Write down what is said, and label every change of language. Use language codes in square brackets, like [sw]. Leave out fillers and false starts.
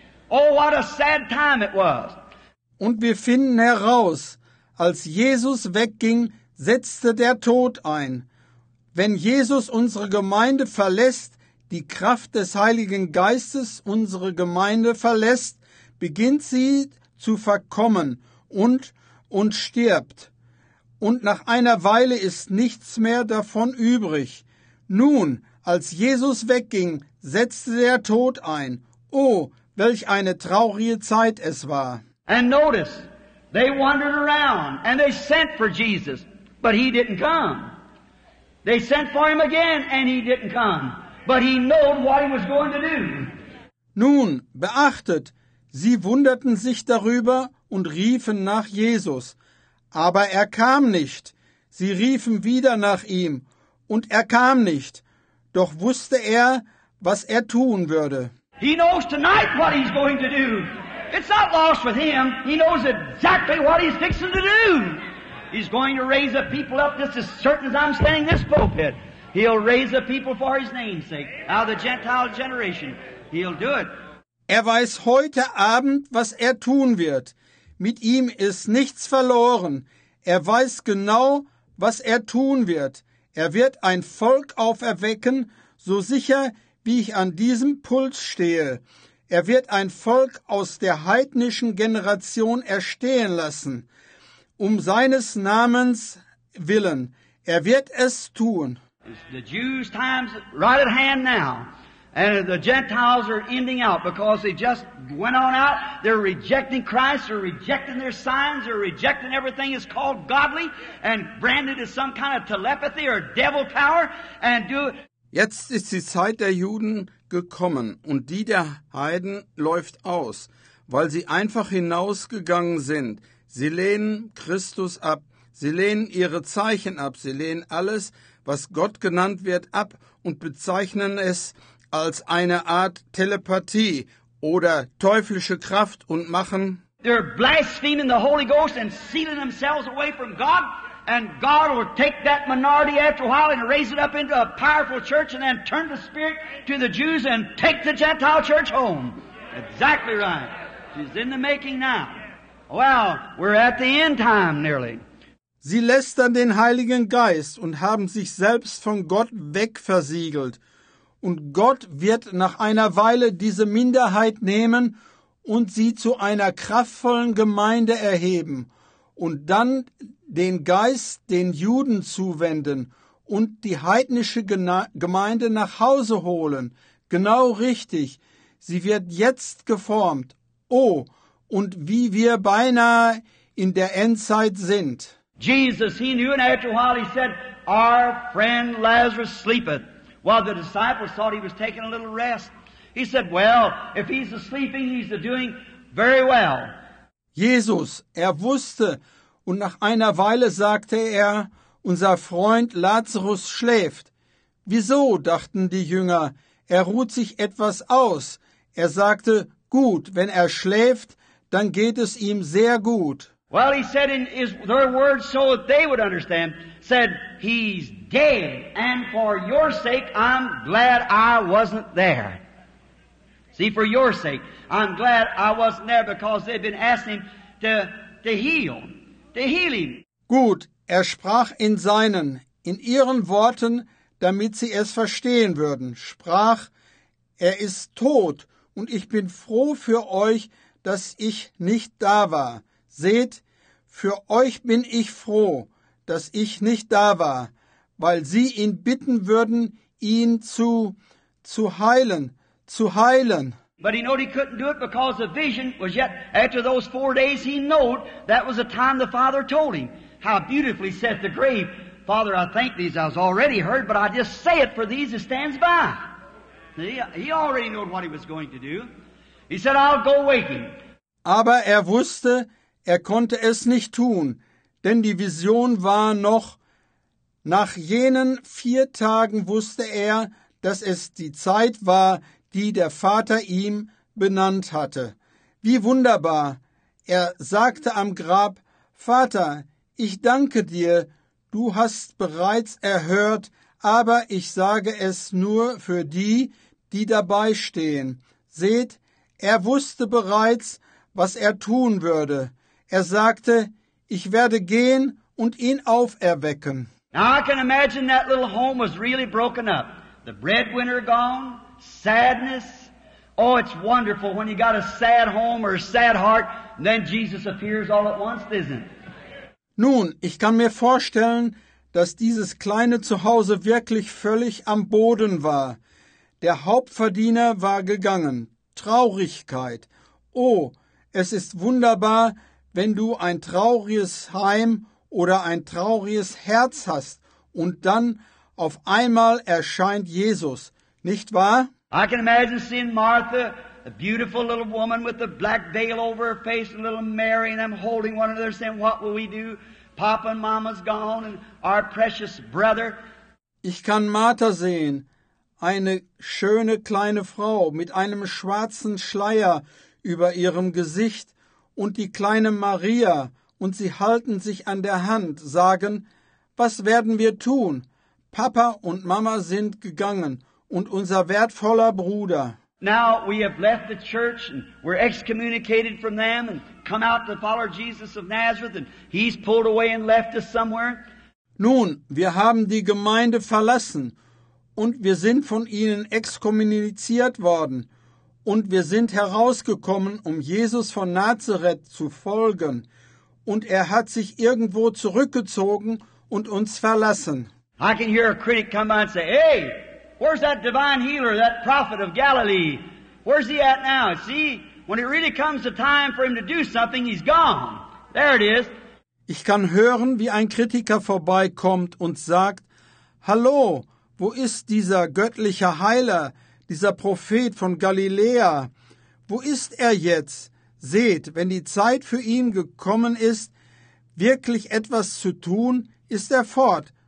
[en] Oh, what a sad time it was. [de] Und wir finden heraus, als Jesus wegging, setzte der Tod ein. Wenn Jesus unsere Gemeinde verlässt, die Kraft des Heiligen Geistes unsere Gemeinde verlässt, beginnt sie zu verkommen und stirbt. Und nach einer Weile ist nichts mehr davon übrig. Nun, als Jesus wegging, setzte der Tod ein. Oh, welch eine traurige Zeit es war. [en] And notice, they wandered around and they sent for Jesus, but he didn't come. They sent for him again and he didn't come, but he knew what he was going to do. [de] Nun, beachtet, sie wunderten sich darüber und riefen nach Jesus, aber er kam nicht. Sie riefen wieder nach ihm, und er kam nicht. Doch wusste er, was er tun würde. [en] He knows tonight what he's going to do. It's not lost with him. He knows exactly what he's fixing to do. He's going to raise a people up just as certain as I'm standing in this pulpit. He'll raise a people for his name's sake, out of the Gentile generation. He'll do it. [de] Er weiß heute Abend, was er tun wird. Mit ihm ist nichts verloren. Er weiß genau, was er tun wird. Er wird ein Volk auferwecken, so sicher, wie ich an diesem Pult stehe. Er wird ein Volk aus der heidnischen Generation erstehen lassen, um seines Namens willen. Er wird es tun. [en] The Jews' time's right at hand now. And the Gentiles are ending out because they just went on out. They're rejecting Christ. They're rejecting their signs. They're rejecting everything that's called godly and branded as some kind of telepathy or devil power. And do [de] Jetzt ist die Zeit der Juden gekommen und die der Heiden läuft aus, weil sie einfach hinausgegangen sind. Sie lehnen Christus ab. Sie lehnen ihre Zeichen ab. Sie lehnen alles, was Gott genannt wird, ab und bezeichnen es als eine Art Telepathie oder teuflische Kraft und machen. [en] They're blaspheming the Holy Ghost and sealing themselves away from God. And God will take that minority after a while and raise it up into a powerful church and then turn the spirit to the Jews and take the Gentile church home. Exactly right. She's in the making now. Well, we're at the end time nearly. [de] Sie lästern den Heiligen Geist und haben sich selbst von Gott wegversiegelt. Und Gott wird nach einer Weile diese Minderheit nehmen und sie zu einer kraftvollen Gemeinde erheben und dann den Geist den Juden zuwenden und die heidnische Gemeinde nach Hause holen. Genau richtig. Sie wird jetzt geformt. Oh, und wie wir beinahe in der Endzeit sind. [en] Jesus, he knew, and after a while he said, our friend Lazarus sleepeth. While the disciples thought he was taking a little rest. He said, well, if he's sleeping, he's doing very well. [de] Jesus, er wusste, und nach einer Weile sagte er, unser Freund Lazarus schläft. Wieso, dachten die Jünger, er ruht sich etwas aus. Er sagte, gut, wenn er schläft, dann geht es ihm sehr gut. [en] Well, he said in his their words so that they would understand, said, he's dead, and for your sake, I'm glad I wasn't there. See, for your sake, I'm glad I wasn't there, because they've been asking to heal him. [de] Gut, er sprach in ihren Worten, damit sie es verstehen würden, sprach, er ist tot, und ich bin froh für euch, dass ich nicht da war. Seht, für euch bin ich froh, dass ich nicht da war, weil sie ihn bitten würden, ihn zu heilen. [en] But he knew he couldn't do it because the vision was yet after those 4 days. He knew that was the time the Father told him. How beautifully said the grave, Father, I thank thee, I was already heard, but I just say it for these that stands by. He already knew what he was going to do. He said, I'll go waking. [de] Aber er wusste, er konnte es nicht tun, denn die Vision war noch. Nach jenen 4 Tagen wusste er, dass es die Zeit war, die der Vater ihm benannt hatte. Wie wunderbar! Er sagte am Grab, Vater, ich danke dir, du hast bereits erhört, aber ich sage es nur für die, die dabei stehen. Seht, er wusste bereits, was er tun würde. Er sagte, ich werde gehen und ihn auferwecken. [en] Now I can imagine that little home was really broken up. The breadwinner gone, sadness. Oh, it's wonderful when you got a sad home or a sad heart, and then Jesus appears all at once, isn't it? [de] Nun, ich kann mir vorstellen, dass dieses kleine Zuhause wirklich völlig am Boden war. Der Hauptverdiener war gegangen. Traurigkeit. Oh, es ist wunderbar, wenn du ein trauriges Heim oder ein trauriges Herz hast und dann auf einmal erscheint Jesus, nicht wahr? [en] I can imagine seeing Martha, a beautiful little woman with a black veil over her face, and little Mary and them holding one another saying, what will we do? Papa and Mama's gone and our precious brother. [de] Ich kann Martha sehen, eine schöne kleine Frau mit einem schwarzen Schleier über ihrem Gesicht, und die kleine Maria, und sie halten sich an der Hand, sagen, was werden wir tun? Papa und Mama sind gegangen, und unser wertvoller Bruder. [en] Now we have left the church and we're excommunicated from them and come out to follow Jesus of Nazareth and he's pulled away and left us somewhere. [de] Nun, wir haben die Gemeinde verlassen und wir sind von ihnen exkommuniziert worden und wir sind herausgekommen, um Jesus von Nazareth zu folgen und er hat sich irgendwo zurückgezogen und uns verlassen. [en] I can hear a critic come by and say, hey, where's that divine healer, that prophet of Galilee? Where's he at now? See, when it really comes the time for him to do something, he's gone. There it is. [de] Ich kann hören, wie ein Kritiker vorbeikommt und sagt, hallo, wo ist dieser göttliche Heiler, dieser Prophet von Galiläa? Wo ist er jetzt? Seht, wenn die Zeit für ihn gekommen ist, wirklich etwas zu tun, ist er fort.